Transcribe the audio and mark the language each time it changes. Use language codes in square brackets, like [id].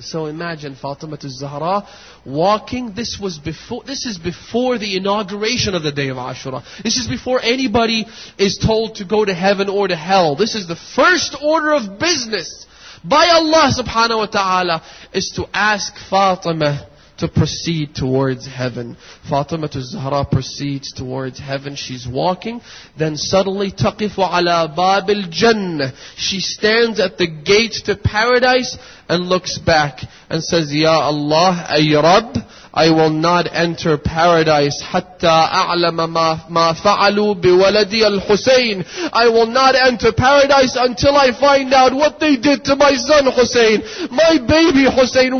[en] So imagine Fatima al-Zahra walking. This is before the inauguration of the Day of Ashura. This is before anybody is told to go to heaven or to hell. This is the first order of business by Allah subhanahu wa ta'ala is to ask Fatima to proceed towards heaven. Fatima al-Zahra proceeds towards heaven. She's walking. Then suddenly, [ar] تَقِفُ عَلَى بَابِ الْجَنَّةِ. [en] She stands at the gate to paradise and looks back and says, Ya Allah, [ar] أي رب, [en] I will not enter paradise [ar] حَتَّى أَعْلَمَ مَا فَعَلُوا بِوَلَدِي الْحُسَيْنِ. [en] I will not enter paradise until I find out what they did to my son Hussein, my baby Hussein.